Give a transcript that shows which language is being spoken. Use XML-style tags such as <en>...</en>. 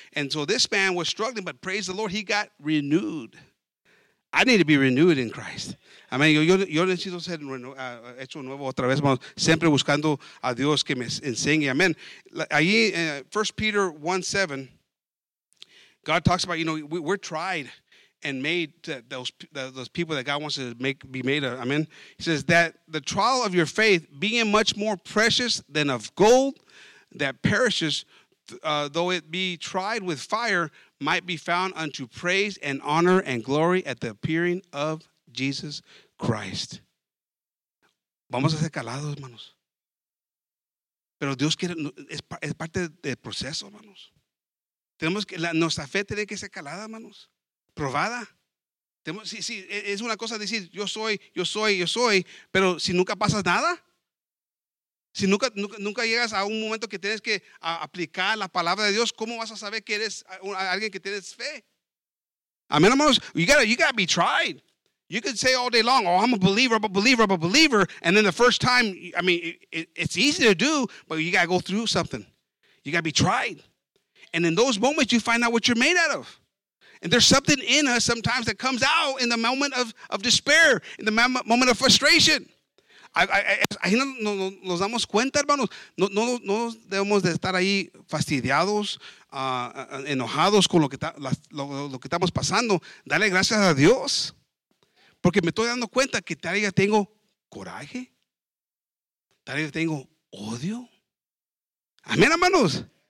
<en>And so this man was struggling, but praise the Lord, he got renewed. I need to be renewed in Christ. Amen.</en> <es>Yo necesito ser hecho nuevo otra vez, hermanos. Siempre buscando a Dios que me enseñe. Amen.</es> <en>Ahí, 1 Peter 1:7, God talks about, you know, we're tried and made to those people that God wants to make be made of. Amen. He says that the trial of your faith being much more precious than of gold, that perishes, though it be tried with fire, might be found unto praise and honor and glory at the appearing of Jesus Christ.</en> <es>Vamos a ser calados, hermanos. Pero Dios quiere, es parte del proceso, hermanos. Tenemos que, nuestra fe tiene que ser calada, hermanos. Probada. Sí, es una cosa decir, yo soy, pero si nunca pasas nada. Si nunca llegas a un momento que tienes que aplicar la palabra de Dios, ¿cómo vas a saber que eres alguien que tienes fe? Amén, hermanos.</es> <en>You gotta be tried. You can say all day long, oh, I'm a believer. And then the first time, I mean, it's easy to do, but you gotta go through something. You gotta be tried. And in those moments, you find out what you're made out of. And there's something in us sometimes that comes out in the moment of despair, in the moment of frustration.</en> <es>Ahí nos damos cuenta, hermanos. No debemos de estar ahí fastidiados, enojados con lo que estamos pasando. Dale gracias a Dios. Porque me estoy dando cuenta que tal vez tengo coraje. Tal vez tengo odio. Amén, hermanos.</es>